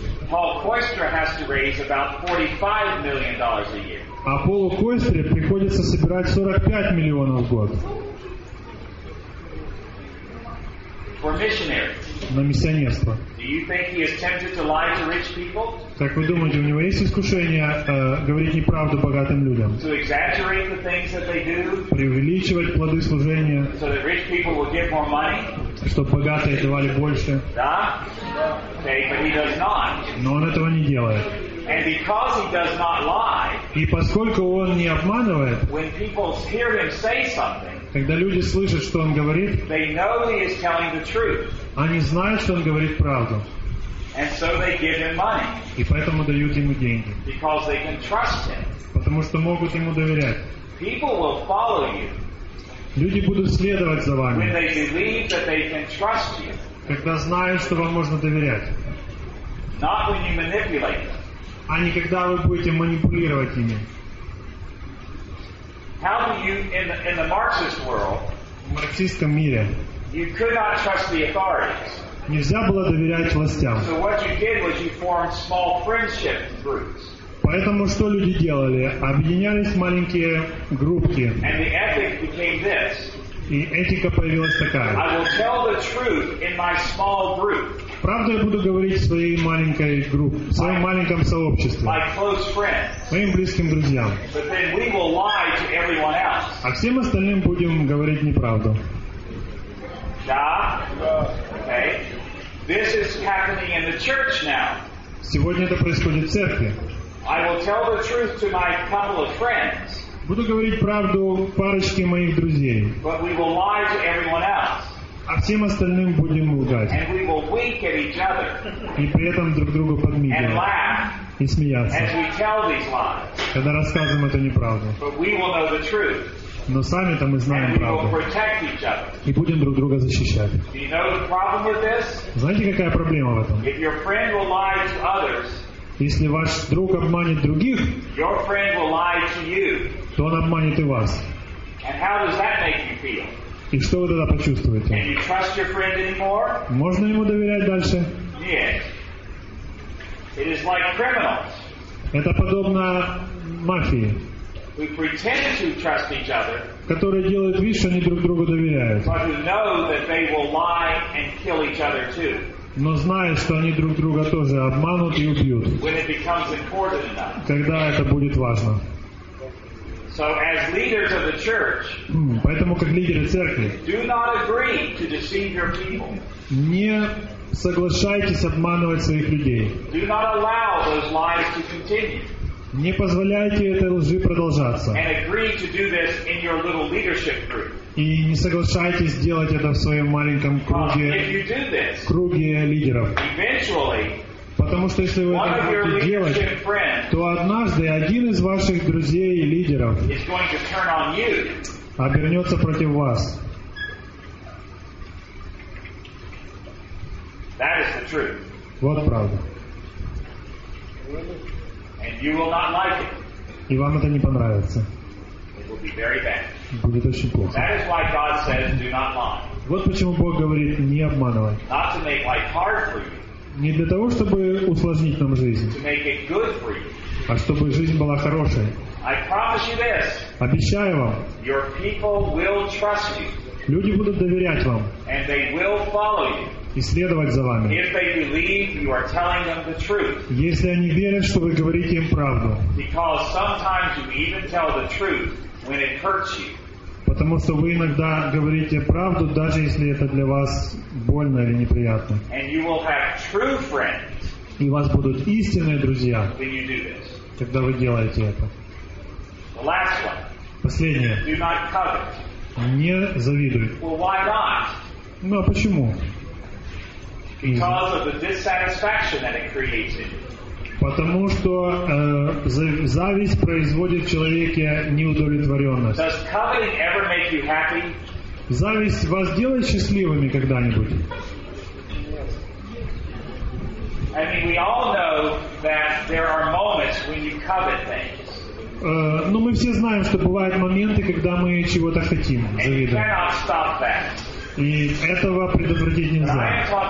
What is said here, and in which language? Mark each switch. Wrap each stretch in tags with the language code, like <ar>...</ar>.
<en>Paul Koistra has to raise about $45 million a year.</en> <ru>А Полу Койстре приходится собирать 45 миллионов в год.</ru> <en>For missionaries.</en> <ru>На миссионерство.</ru> <en>Do you think he is tempted to lie to rich people?</en> <ru>Как вы думаете, у него есть искушение говорить неправду богатым людям?</ru> <en>To exaggerate the things that they do?</en> <ru>Преувеличивать плоды служения?</ru> <en>So that rich people will get more money?</en> <ru>Чтобы богатые давали больше? Да.</ru> <en>Okay, but he does not.</en> <ru>Но он этого не делает.</ru> <en>And because he does not lie,</en> <ru>и поскольку он не обманывает,</ru> <en>when people hear him say something,</en> <ru>когда люди слышат, что он говорит,</ru> <en>they know he is telling the truth.</en> <ru>Они знают, что он говорит правду.</ru> <en>And so they give him money.</en> <ru>И поэтому дают ему деньги.</ru> <en>Because they can trust him.</en> <ru>Потому что могут ему доверять.</ru> <en>People will follow you.</en> <ru>Люди будут следовать за вами.</ru> <en>When they believe that they can trust you.</en> <ru>Когда знают, что вам можно доверять.</ru> <en>Not when you manipulate them.</en> <ru>А не когда вы будете манипулировать ими.</ru> <en>How do you, in the Marxist world,</en> <ru>в марксистском мире,</ru> <en>you could not trust the authorities.</en> <ru>Нельзя было доверять властям.</ru> <en>So what you did was you formed small friendship groups.</en> <ru>Поэтому что люди делали? Объединялись маленькие группки.</ru> <en>And the ethic became this.</en> <ru>И этика появилась такая.</ru> <en>I will tell the truth in my small group.</en> <ru>Правду я буду говорить в своей маленькой группе, в своем маленьком сообществе,</ru> <en>my close friends,</en> <ru>моим близким друзьям.</ru> <en>But then we will lie to everyone else.</en> <ru>А всем остальным будем говорить неправду. Да?</ru> <en>Okay. This is happening in the church now.</en> <ru>Сегодня это происходит в церкви.</ru> <en>I will tell the truth to my couple of friends.</en> <ru>Буду говорить правду парочке моих друзей.</ru> <en>But we will lie to everyone else.</en> <ru>А всем остальным будем лгать.</ru> <en>And we will wink at each other.</en> <ru>И при этом друг другу подмигивать.</ru> <en>And laugh.</en> <ru>И смеяться.</ru> <en>As we tell these lies.</en> <ru>Когда рассказываем эту неправду.</ru> <en>But we will know the truth.</en> <ru>Но сами-то мы знаем правду. И будем друг друга защищать.</ru> <en>Do you know the problem with this?</en> <ru>Знаете, какая проблема в этом?</ru> <en>If your friend will lie to others,</en> <ru>если ваш друг обманет других,</ru> <en>your friend will lie to you.</en> <ru>То он обманет и вас.</ru> <en>And how does that make you feel?</en> <ru>И что вы тогда почувствуете?</ru> <en>Can you trust your friend anymore?</en> <ru>Можно ему доверять дальше?</ru> <en>Yes. It is like criminals.</en> <ru>Это подобно мафии.</ru> <en>We pretend to trust each other,</en> <ru>которые делают вид, что они друг другу доверяют.</ru> <en>But we know that they will lie and kill each other too.</en> <ru>Но зная, что они друг друга тоже обманут и убьют.</ru> <en>When it becomes important enough.</en> <ru>Когда это будет важно.</ru> <en>So as leaders of the church,</en> <ru>поэтому как лидеры церкви,</ru> <en>do not agree to deceive your people.</en> <ru>Не соглашайтесь обманывать своих людей.</ru> <en>Do not allow those lies to continue.</en> <ru>Не позволяйте этой лжи продолжаться.</ru> <en>And agree to do this in your little leadership group.</en> <ru>И не соглашайтесь делать это в своем маленьком круге, круге лидеров.</ru> <en>Eventually,</en> <ru>потому что если вы это будете делать, то однажды один из ваших друзей и лидеров</ru> <en>is going to turn on you.</en> <ru>Обернется против вас.</ru> <en>That is the truth.</en> <ru>Вот правда.</ru> <en>And you will not like it.</en> <ru>И вам это не понравится.</ru> <en>It will be very bad.</en> <ru>Будет очень плохо.</ru> <en>That is why God says, do not lie.</en> <ru>Вот почему Бог говорит, не обманывай.</ru> <en>Not to make life hard for you.</en> <ru>Не для того, чтобы усложнить нам жизнь.</ru> <en>To make it good for you.</en> <ru>А чтобы жизнь была хорошей.</ru> <en>I promise you this.</en> <ru>Обещаю вам.</ru> <en>Your people will trust you.</en> <ru>Люди будут доверять вам.</ru> <en>And they will follow you.</en> <ru>И следовать за вами.</ru> <en>If they believe you are telling them the truth.</en> <ru>Если они верят, что вы говорите им правду.</ru> <en>Because sometimes you even tell the truth when it hurts you.</en> <ru>Потому что вы иногда говорите правду, даже если это для вас больно или неприятно.</ru> <en>And you will have true friends.</en> <ru>И у вас будут истинные друзья.</ru> <en>When you do this.</en> <ru>Когда вы делаете это.</ru> <en>The last one.</en> <ru>Последнее.</ru> <en>Do not covet.</en> <ru>Не завидуй.</ru> <en>Well, why not?</en> <ru>Ну а почему?</ru> <en>Because of the dissatisfaction that it creates in you.</en> <ru>Потому что зависть производит в человеке неудовлетворенность.</ru> <en>Does coveting ever make you happy?</en> <ru>Зависть вас делает счастливыми когда-нибудь?</ru> <en>I mean, we all know that there are moments when you covet things.</en> <ru>Но мы все знаем, что бывают моменты, когда мы чего-то хотим, завидуем.</ru> <en>And you cannot stop that.</en> <ru>И этого предотвратить нельзя.</ru>